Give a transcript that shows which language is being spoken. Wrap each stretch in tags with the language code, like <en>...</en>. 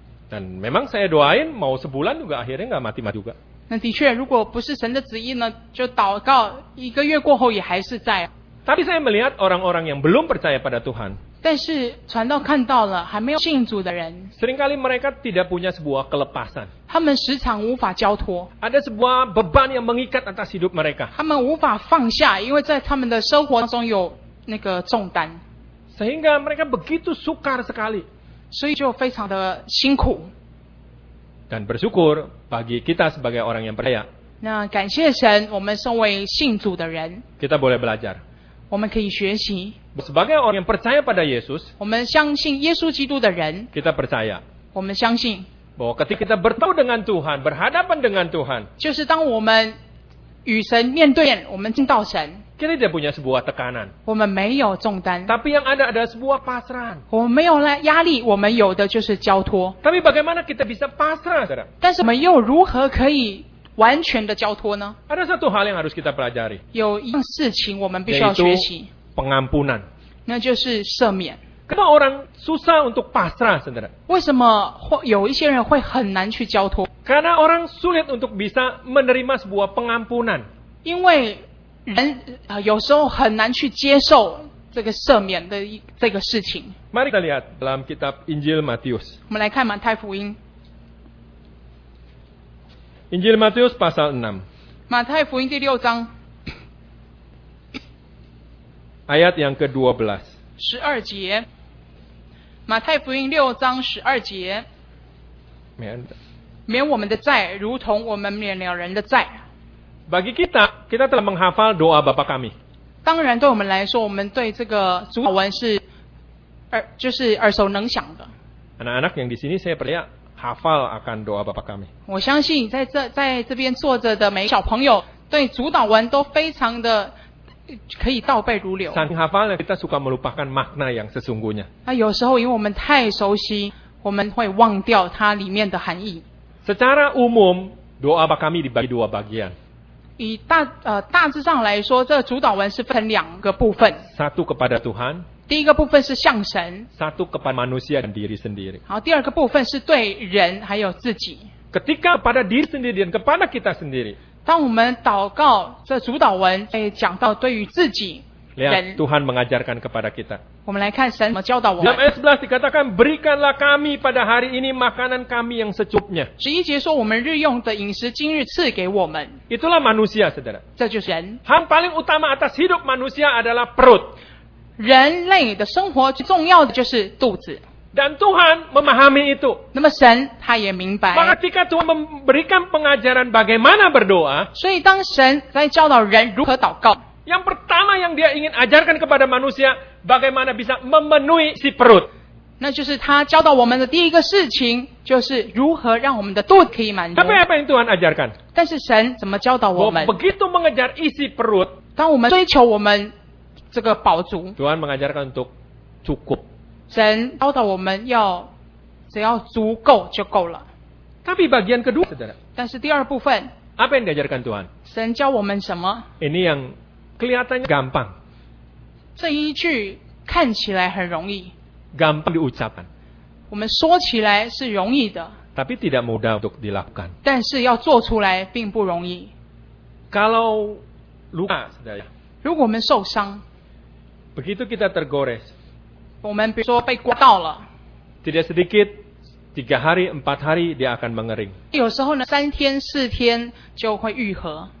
<id>Dan memang saya doain mau sebulan juga akhirnya nggak mati juga.</id> <zh>那的确，如果不是神的旨意呢，就祷告一个月过后也还是在。</zh> <id>Tapi saya melihat orang-orang yang belum percaya pada Tuhan.</id> <zh>但是传道看到了还没有信主的人。</zh> <id>Seringkali mereka tidak punya sebuah kelepasan.</id> <zh>他们时常无法交托。</zh> <id>Ada sebuah beban yang mengikat atas hidup mereka.</id> <zh>他们无法放下，因为在他们的生活中有那个重担。</zh> <id>Sehingga mereka begitu sukar sekali.</id> <zh>所以就非常的辛苦。</zh> <id>Dan bersyukur bagi kita sebagai orang yang percaya.</id> <zh>那感谢神，我们身为信主的人。</zh> <id>Kita boleh belajar.</id> <zh>我们可以学习。</zh> <id>Sebagai orang yang percaya pada Yesus，</id> <zh>我们相信耶稣基督的人。</zh> <id>Kita percaya。</id> <zh>我们相信。</zh> <id>Bahwa ketika kita bertemu dengan Tuhan， berhadapan dengan Tuhan，</id> <zh>就是当我们与神面对面，我们见到神。</zh> <id>Kita tidak punya sebuah tekanan。</id> <zh>我们没有重担。</zh> <id>Tapi yang ada adalah sebuah pasrah。</id> <zh>我们没有压力，我们有的就是交托。</zh> <id>Tapi bagaimana kita bisa pasrah？</id> <zh>但是我们又如何可以？完全的交托呢？</zh> <id>Ada satu hal yang harus kita pelajari.</id> <zh>有一件事情我们必须要学习。</zh> <id>Pengampunan.</id> <zh>那就是赦免。</zh> <id>Kenapa orang susah untuk pasrah, saudara?</id> <zh>为什么有一些人会很难去交托？</zh> <id>Karena orang sulit untuk bisa menerima sebuah pengampunan.</id> <zh>因为人有时候很难去接受这个赦免的这个事情。</zh> <id>Mari kita lihat dalam kitab Injil Matius.</id> <zh>我们来看马太福音。</zh> <id>Injil Matius pasal 6.</id> <zh>Matai Fuin di 6 章.</zh> <id>Ayat yang ke-12.</id> <zh>12节. Matai Fuin 6 章12节. 免我们的债，如同我们免了人的债。</zh> <id>Bagi kita, kita telah menghafal doa Bapa kami.</id> <zh>当然对我们来说，我们对这个主祷文是就是耳熟能详的。</zh> <id>Anak-anak yang di sini saya percaya. Hafal akan doa Bapa kami.</id> <zh>我相信在这边坐着的每小朋友对主导文都非常的可以倒背如流。</zh> <id>Saking hafalnya kita suka melupakan makna yang sesungguhnya.</id> <zh>那有时候因为我们太熟悉，我们会忘掉它里面的含义。</zh> <id>Secara umum doa Bapa kami dibagi dua bagian.</id> <zh>以大致上来说，这主导文是分两个部分。</zh> <id>Satu kepada Tuhan.</id> <zh>第一个部分是向神。</zh> <id>Satu kepada manusia dan diri sendiri.</id> <zh>好，第二个部分是对人还有自己。</zh> <id>ketika pada diri sendiri dan kepada kita sendiri.</id> <zh>当我们祷告，这主导文诶讲到对于自己。</zh> <id>Lihat Tuhan mengajarkan kepada kita.</id> <zh>我们来看神怎么教导我们。</zh> <id>Dalam ayat 11 dikatakan berikanlah kami pada hari ini makanan kami yang secukupnya.</id> <zh>十一节说我们日用的饮食今日赐给我们。</zh> <id>Itulah manusia, saudara.</id> <zh>这就是人。</zh> <id>Hal paling utama atas hidup manusia adalah perut.</id> <zh>人类的生活最重要的就是肚子。</zh> <id>Dan Tuhan memahami itu.</id> <zh>那么神他也明白。</zh> <id>Maka ketika Tuhan memberikan pengajaran bagaimana berdoa.</id> <zh>所以当神在教导人如何祷告。</zh> <id>Yang pertama yang dia ingin ajarkan kepada manusia bagaimana bisa memenuhi si perut.</id> <zh>那就是他教导我们的第一个事情，就是如何让我们的肚子可以满足。</zh> <id>Tapi apa yang Tuhan ajarkan?</id> <zh>但是神怎么教导我们？</zh> <id>Begitu mengejar isi perut.</id> <zh>当我们追求我们这个饱足。</zh> <id>Tuhan mengajarkan untuk cukup.</id> <zh>神教导我们要只要足够就够了。</zh> <id>Tapi bagian kedua, saudara.</id> <zh>但是第二部分。</zh> <id>Apa yang diajarkan Tuhan?</id> <zh>神教我们什么？</zh> <id>Ini yang kelihatannya gampang.</id> <zh>这一句看起来很容易。</zh> <id>Gampang diucapkan.</id> <zh>我们说起来是容易的。</zh> <id>Tapi tidak mudah untuk dilakukan.</id> <zh>但是要做出来并不容易。</zh> <id>Kalau luka, saudara.</id> <zh>如果我们受伤。</zh> <id>Begitu kita tergores.</id> <zh>我们比如说被刮到了。</zh> <id>Tidak sedikit, 3 hari, 4 hari dia akan mengering.</id> <zh>有时候呢，3天、4天就会愈合。</zh>